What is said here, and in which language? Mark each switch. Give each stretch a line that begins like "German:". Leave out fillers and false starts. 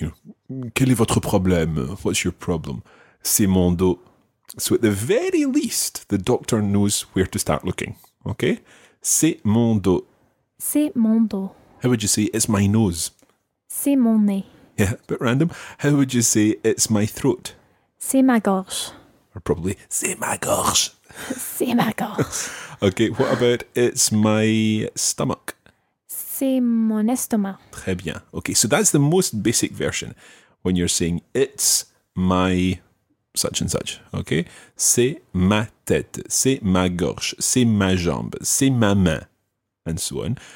English: You know,
French: quel est votre problème?
English: What's your problem?
French: C'est mon dos.
English: So, at the very least, the doctor knows where to start looking. Okay?
French: C'est mon dos. C'est mon dos.
English: How would you say, it's my nose?
French: C'est mon nez.
English: Yeah, a bit random. How would you say, it's my throat?
French: C'est ma gorge.
English: Or probably,
French: c'est ma gorge. C'est ma gorge.
English: Okay, what about, it's my stomach?
French: C'est mon estomac. Très bien.
English: Okay, so that's the most basic version when you're saying, it's my such and such. Okay?
French: C'est ma tête. C'est ma gorge. C'est ma jambe. C'est ma main.
English: And so on.